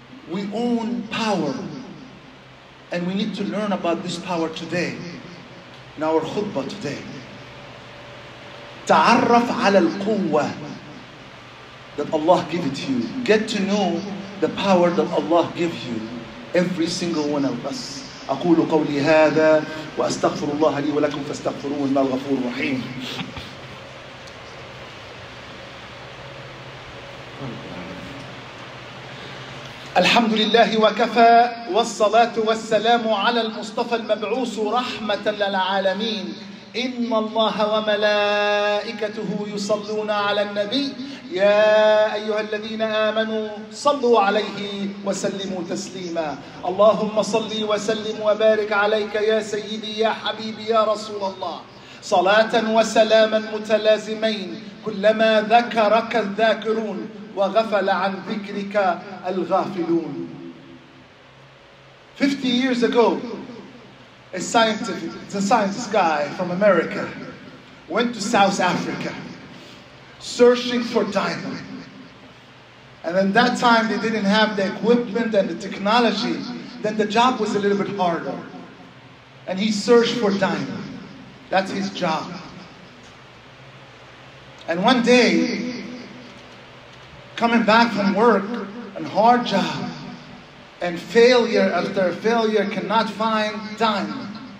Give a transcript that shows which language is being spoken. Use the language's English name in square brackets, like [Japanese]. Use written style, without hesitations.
[English] We own power. And we need to learn about this power today, in our khutbah today. [Arabic] تعرف على القوة. [English] That Allah give it to you. Get to know the power that Allah gives you. Every single one of us. [Arabic] أقول قولي هذا وأستغفر الله لي ولكم فاستغفروه إنه الغفور الرحيم. الحمد لله وكفى والصلاة والسلام على المصطفى المبعوث رحمة للعالمين. إن الله وملائكته يصلون على النبي يا أيها الذين آمنوا صلوا عليه وسلموا تسليما اللهم صل وسلم وبارك عليك يا سيدي يا حبيبي يا رسول الله صلاة وسلاما متلازمين كلما ذكرك الذاكرون وغفل عن ذكرك الغافلون [English] 50 years ago a scientist guy from America went to South Africa searching for diamond. And at that time, they didn't have the equipment and the technology. Then the job was a little bit harder. And he searched for diamond. That's his job. And one day, coming back from work, a hard job, and failure after failure, cannot find diamond.